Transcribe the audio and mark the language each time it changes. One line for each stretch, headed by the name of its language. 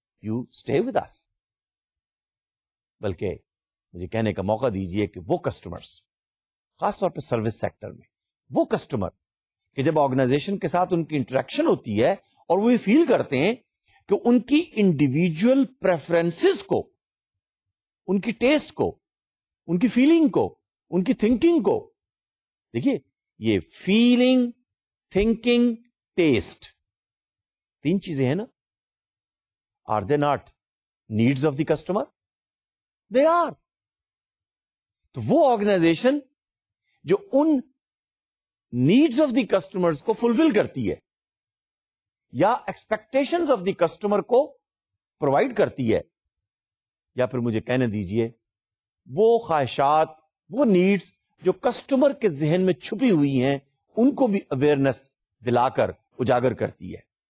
English: You stay with us.
Urdu: بلکہ مجھے کہنے کا موقع دیجئے کہ وہ کسٹمرز, خاص طور پہ سروس سیکٹر میں, وہ کسٹمر کہ جب آرگنائزیشن کے ساتھ ان کی انٹریکشن ہوتی ہے اور وہ فیل کرتے ہیں کہ ان کی انڈیویجل پریفرنسز کو, ان کی ٹیسٹ کو, ان کی فیلنگ کو, ان کی تھنکنگ کو, دیکھیے یہ فیلنگ, تھنکنگ, ٹیسٹ تین چیزیں ہیں نا.
English: Are they not needs of the customer? They are.
Urdu: تو وہ آرگنائزیشن جو ان
English: needs of the customers
Urdu: کو فلفل کرتی ہے یا
English: expectations of the customer
Urdu: کو پرووائڈ کرتی ہے, یا پھر مجھے کہنے دیجئے وہ خواہشات, وہ نیڈز جو کسٹمر کے ذہن میں چھپی ہوئی ہیں ان کو بھی اویئرنس دلا کر اجاگر کرتی ہے.